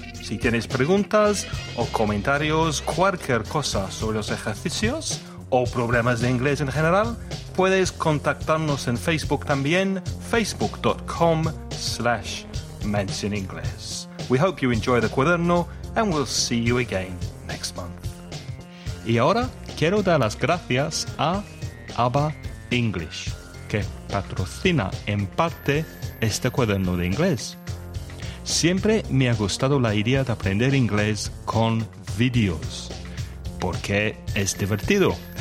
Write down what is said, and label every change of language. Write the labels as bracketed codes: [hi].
[es] Si tienes preguntas o comentarios, cualquier cosa sobre los ejercicios, o problemas de inglés en general, puedes contactarnos en Facebook también, facebook.com/mansioningles. [en] We hope you enjoy the cuaderno, and we'll see you again next month. [es] Y ahora, quiero dar las gracias a ABBA English, que patrocina en parte este cuaderno de inglés. Siempre me ha gustado la idea de aprender inglés con vídeos, porque es divertido.